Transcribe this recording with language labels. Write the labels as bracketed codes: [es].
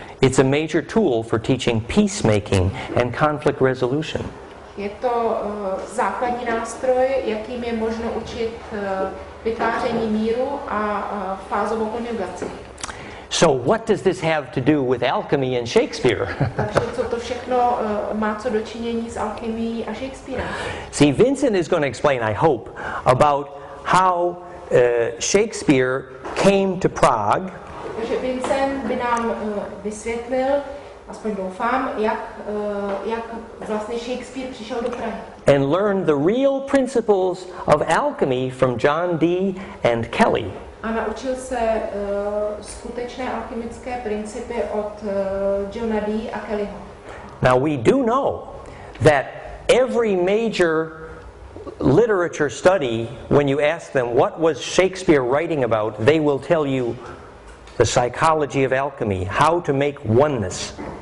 [en] It's a major tool for teaching peacemaking and conflict resolution. [cs] Je to základní nástroj, jakým je možno učit vytváření míru a fázovou konjugaci. [en] So what does this have to do with alchemy and Shakespeare? [cs] Takže co to všechno má co dočinění s alchymií a Shakespearem? [en] See, Vincent is going to explain, I hope, about how Shakespeare came to Prague. [cs] Takže Vincent by nám vysvětlil, aspoň doufám, jak vlastně Shakespeare přišel do Prahy. [en] And learn the real principles of alchemy from John Dee and Kelly. [cs] A naučil se skutečné alchemické principy od Johna Dee a Kellyho. [en] Now we do know that every major literature study, when you ask them what was Shakespeare writing about, they will tell you the psychology of alchemy, how to make oneness.